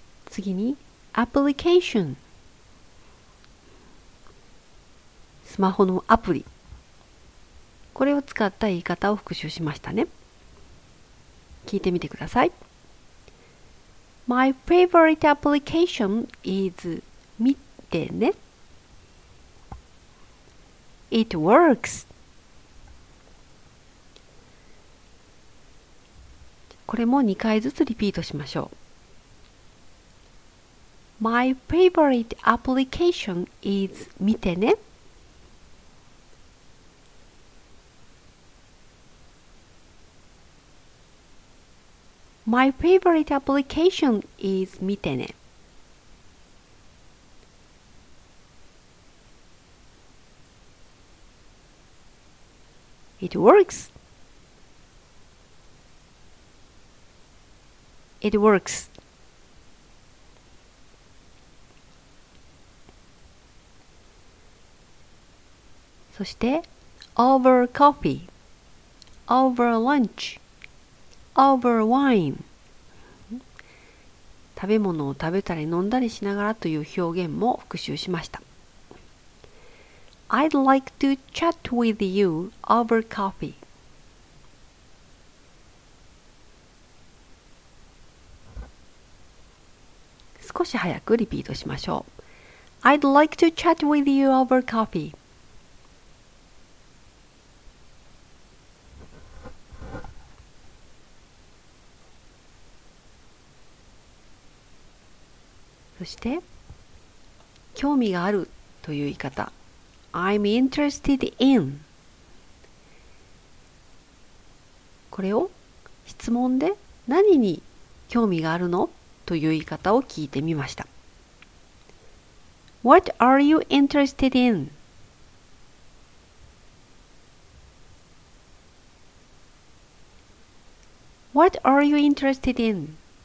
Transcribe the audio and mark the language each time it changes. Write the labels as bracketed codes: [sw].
[ja] 次に、アプリケーション。スマホのアプリ。これを使った言い方を復習しましたね。聞いてみてください。 [en] My favorite application is [ja] 見てね。 [en] It works. [ja] これも2回ずつリピートしましょう。 [en] My favorite application is [ja] 見てね。 [en] My favorite application is [ja] 見てね。 [en] It works. It works. [ja] そして、 [en] over coffee, over lunch, over wine。 [ja] 食べ物を食べたり飲んだりしながらという表現も復習しました。 [en] I'd like to chat with you over coffee。 [ja] 少少し早くリピートしましょう。 [en] I'd like to chat with you over coffee. [ja] そして、興味があるという言い方。 [en] I'm interested in. [ja] これを質問で何に興味があるの? という言い方を聞いてみました。 [en] What are you interested in? What are you interested in?